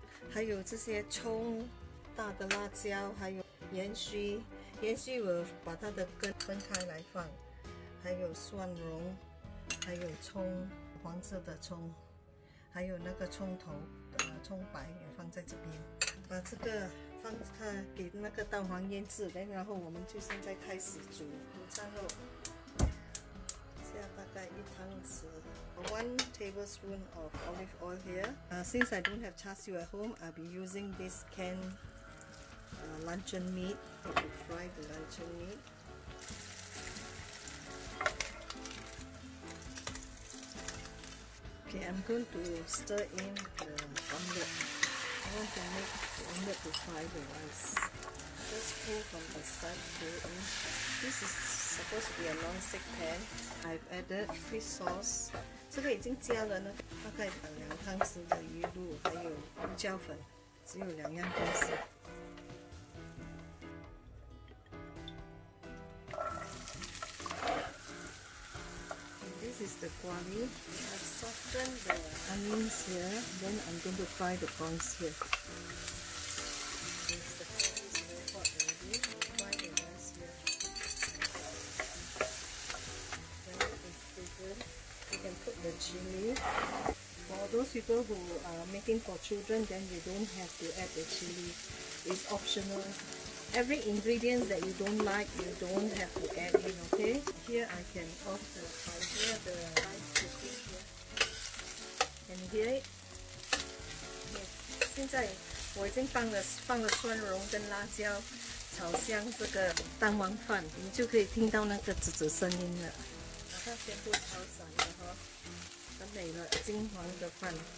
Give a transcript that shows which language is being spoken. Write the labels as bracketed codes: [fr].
[zh] 还有这些葱, 大的辣椒, 还有盐须, 盐须我把它的根分开来放, 还有蒜蓉, 还有葱, 黄色的葱, 还有那个葱头, 葱白也放在这边, 把这个放它, 给那个蛋黄腌制, 然后我们就现在开始煮午餐肉, 下大概1汤匙, [en] 1 tablespoon of olive oil here. Since I don't have char siu at home, I'll be using this canned luncheon meat to fry the luncheon meat. Okay, I'm going to stir in the omelette. I want to make the omelette to fry the rice. Just pull from the side, pull in. This is supposed to be a non-stick pan. I've added fish sauce. [zh] 这个已经加了呢，大概2汤匙的鱼露，还有胡椒粉， 只有2样东西。 [en] This is the guali. I've softened the onions here. Then I'm going to fry the prawns here. Yes, the prawns are very hot already. Fry the rice here. Then you can put the chili. For those people who are making for children, then you don't have to add the chili. It's optional. Every ingredient that you don't like, you don't have to add in, okay? Here I can off the fire, the rice cooking here. Can you hear it? Yes. [zh] 现在我已经放了蒜蓉跟辣椒炒香这个蛋黄饭, 你就可以听到那个滋滋声音了。把它全部炒散了哈，很美了，金黄的饭。